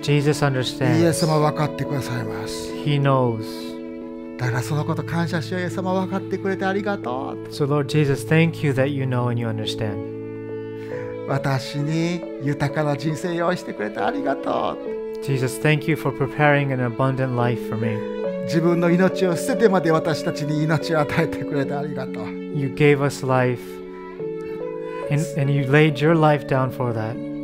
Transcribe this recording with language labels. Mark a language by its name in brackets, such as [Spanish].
[Japanese] イエス様は分かってくださいます。イエス様は分かってくださいます。 [English] He knows. [Japanese] だからそのこと感謝しよう。イエス様は分かってくれてありがとう。 [English] So Lord Jesus, thank you that you know and you understand. [Japanese] 私に豊かな人生用意してくれてありがとう。 [English] Jesus, thank you for preparing an abundant life for me. [Japanese] 自分の命を捨ててまで私たちに命を与えてくれてありがとう。 [English] You gave us life and you laid your life down for that.